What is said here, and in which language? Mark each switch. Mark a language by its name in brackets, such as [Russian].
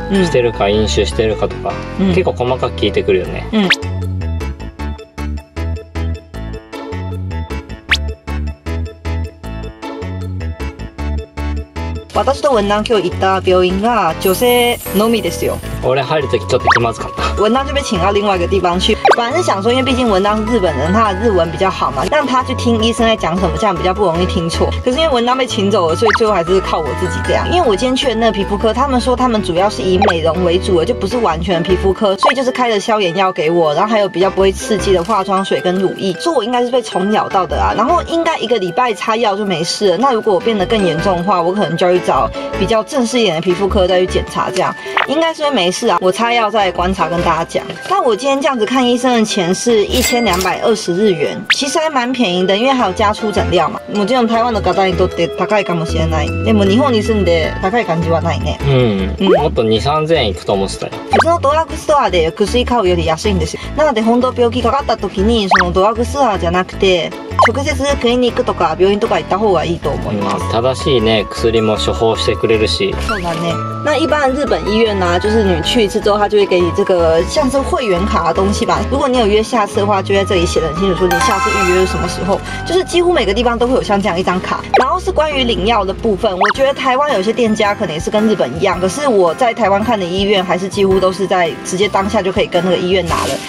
[Japanese] してるか飲酒してるかとか、結構細かく聞いてくるよね。私と文南今日行った病院が女性のみですよ。俺入る時ちょっと気まずかった。 [Chinese] 文南就被请到另外一个地方去，本来是想说，因为毕竟文南是日本人，他的日文比较好嘛，让他去听医生在讲什么，这样比较不容易听错。可是因为文南被请走了，所以最后还是靠我自己这样。因为我今天去的那个皮肤科，他们说他们主要是以美容为主的，就不是完全皮肤科，所以就是开了消炎药给我，然后还有比较不会刺激的化妆水跟乳液。所以我应该是被虫咬到的啊，然后应该一个礼拜擦药就没事了。那如果我变得更严重的话，我可能就要去找比较正式一点的皮肤科再去检查，这样应该是会没事啊。我擦药再观察跟大家讲。那我今天这样子看医生的钱是1220日元，其实还蛮便宜的，因为还有加出诊料嘛。 [Japanese] もちろん台湾の方にとって高いかもしれない。でも日本に住んで高い感じはないね。もっと2000〜3000円いくと思ってたよ。普通のドラッグストアで薬買うより安いんですよ。なので本当病気かかった時にそのドラッグストアじゃなくて。直接クリニックとか病院とか行った方がいいと思います。正しいね、薬も処方してくれるし。そうだね。 [Chinese] 那一般日本医院呢、就是你去一次之后，他就会给你这个像是会员卡的东西吧。如果你有约下次的话，就在这里写得很清楚，说你下次预约是什么时候。就是几乎每个地方都会有像这样一张卡。然后是关于领药的部分，我觉得台湾有些店家可能也是跟日本一样，可是我在台湾看的医院还是几乎都是在直接当下就可以跟那个医院拿了。